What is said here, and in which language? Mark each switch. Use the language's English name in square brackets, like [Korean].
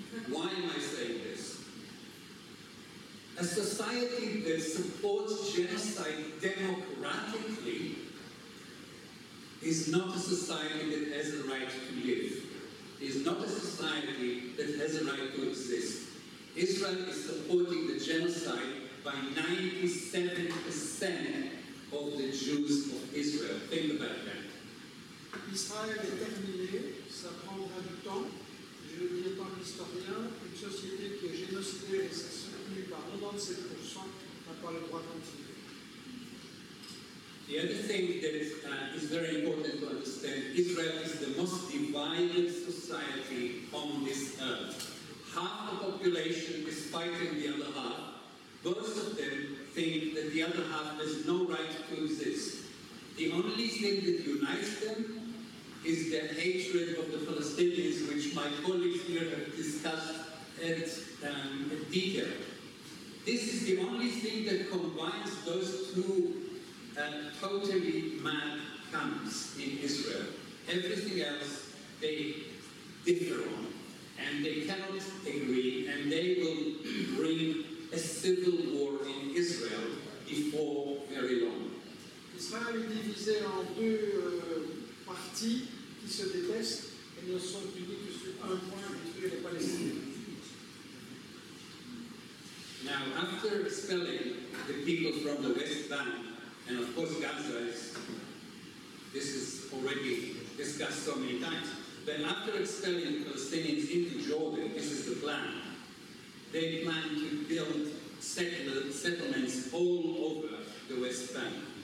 [English] Why am I saying this? A society that supports genocide democratically is not a society that has a right to live. It is not a society that has a right to exist. Israel is supporting the genocide by 97% of the Jews of Israel. Think about that. [French] Israël est terminé, ça prendra du temps. Je ne dis pas l'historien, une société qui est génocidée et ça soutenue par 97% n'a pas le droit de continuer. [English] The other thing that is very important to understand, Israel is the most divided society on this earth. Half the population is fighting the other half. Both of them think that the other half has no right to exist. The only thing that unites them is the hatred of the Palestinians, which my colleagues here have discussed in detail. This is the only thing that combines those two totally mad camps in Israel. Everything else, they differ on. And they cannot agree, and they will bring a civil war in Israel before very long. [French] Israël est divisé en deux parties qui se détestent et ne sont unis que sur un point, détruire les Palestiniens. [English] Now, after expelling the people from the West Bank, and of course Gaza is, this is already discussed so many times, then after expelling the Palestinians into Jordan, this is the plan, they plan to build settlements all over the West Bank.